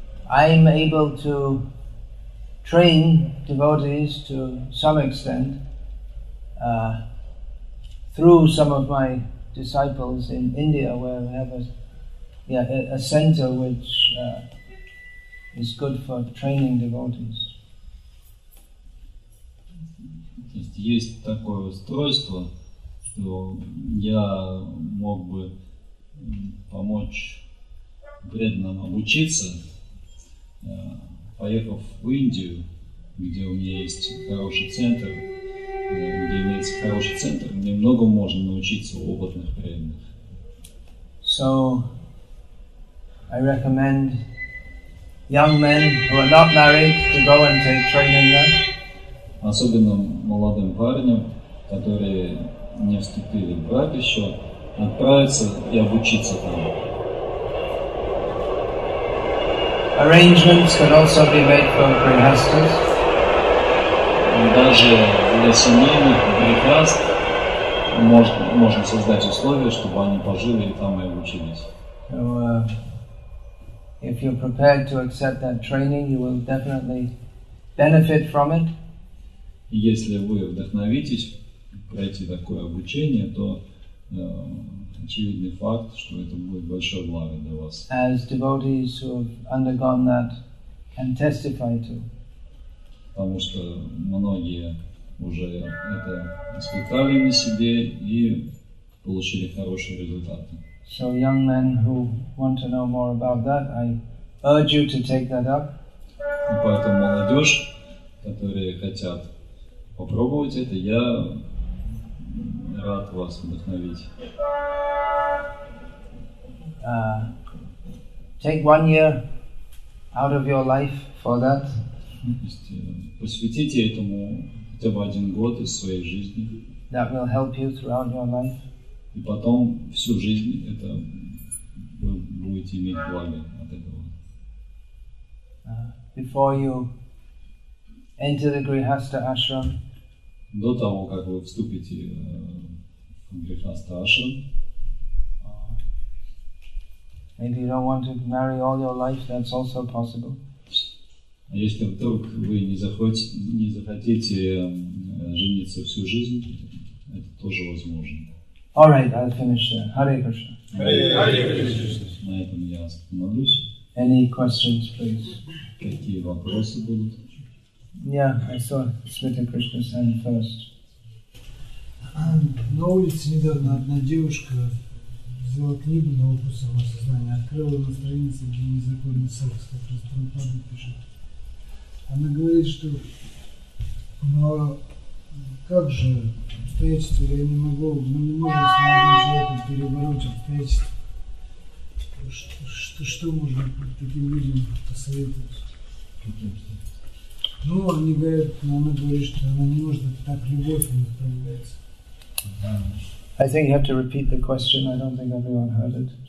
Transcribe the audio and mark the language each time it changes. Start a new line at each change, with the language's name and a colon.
English: I'm able to train devotees to some extent through some of my disciples in India, where we have a center which is good for training devotees.
Russian: Есть такое устройство. То я мог бы помочь преданным обучиться, поехав в Индию, где у меня есть хороший центр, где имеется хороший центр, где много можно научиться у опытных преданных.
English: So, I recommend young men who are not married to go and take training there.
Russian: Особенно молодым парням, которые не вступили в брак еще, отправиться и обучиться там.
English: Arrangements can also be made for grihasthas.
Russian: Даже для семейных грихаст можно создать условия, чтобы они пожили и там и обучились.
English: So, if you're prepared to accept that training, you will definitely benefit from it.
Russian: Если вы вдохновитесь пройти такое обучение, то очевидный факт, что это будет большое благо для вас.
English: As devotees who have undergone that can testify to.
Russian: Потому что многие уже это испытали на себе и получили хорошие результаты.
English: So young men who want to know more about that, I urge you to take that up.
Russian: И поэтому молодежь, которые хотят попробовать это, я рад вас вдохновить.
English: Take 1 year out of your life for that.
Russian: Посвятите этому хотя бы 1 год из своей жизни.
English: That will help you throughout your life.
Russian: И потом всю жизнь это вы будете иметь благо от этого.
English: Before you enter the Grihastha ashram.
Russian: До того, как вы вступите в грехастхашрам.
English: Maybe you don't want to marry all your life, that's also possible. А если вдруг вы не захотите жениться всю жизнь, это тоже возможно. All right, I'll finish there. Hare Krishna. Hare Krishna.
Russian: На этом я остановлюсь.
English: Any questions, please?
Russian: Какие вопросы будут?
English: Yeah, I saw Smita Krishna's hand first.
Russian: На улице недавно одна девушка взяла книгу на опыт самосознания, открыла на странице, где незаконный секс, как раз Прабхупада пишет. Она говорит, что как же обстоятельства, мы не можем с молодым человеком перебороть обстоятельства. Что можно таким людям посоветовать? Она говорит, что она не может, так любовь у них проявляется.
English: I think you have to repeat the question. I don't think everyone heard it.